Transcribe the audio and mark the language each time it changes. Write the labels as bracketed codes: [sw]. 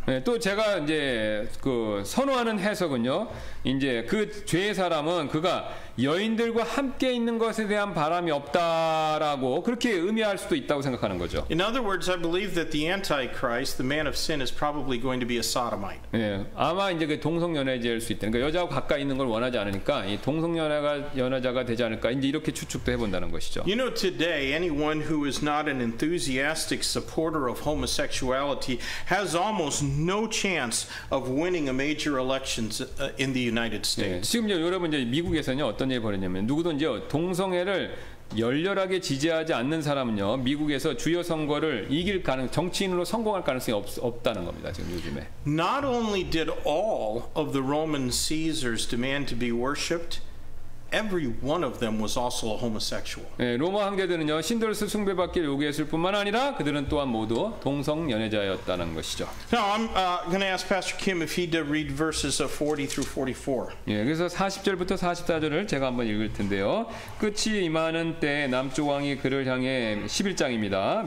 [ko] 네, 또 제가 이제 그 선호하는 해석은요. 이제 그 죄의 사람은 그가 여인들과 함께 있는 것에 대한 바람이 없다라고 그렇게 의미할 수도 있다고 생각하는 거죠. [en] In other words, I believe that the Antichrist, the man of sin, is probably going to be a sodomite. [ko] 예, 아마 이제 그 동성연애자일 수 있다. 그러니까 여자하고 가까이 있는 걸 원하지 않으니까 이 동성연애가 연애자가 되지 않을까. 이제 이렇게 추측도 해본다는 것이죠. [en] You know, today anyone who is not an enthusiastic supporter of homosexuality has almost no chance of winning a major election in the United States. [ko] 예, 지금 여러분 이제 미국에서는요. 어떤 일이 벌어졌냐면 누구도 이제 동성애를 열렬하게 지지하지 않는 사람은요 미국에서 주요 선거를 이길 가능 정치인으로 성공할 가능성이 없다는 겁니다 지금 요즘에. [en] Not only did all of the Roman Caesars demand to be worshipped, every one of them was also a homosexual. [ko] 네, 로마 황제들은요 신들을 숭배받기를 요구했을 뿐만 아니라 그들은 또한 모두 동성 연애자였다는 것이죠. [en] Now I'm going to ask Pastor Kim if he'd read verses of 40 through 44. [ko] 예, 그래서 40절부터 44절을 제가 한번 읽을 텐데요. 끝이 임하는 때 남쪽 왕이 그를 향해 11장입니다.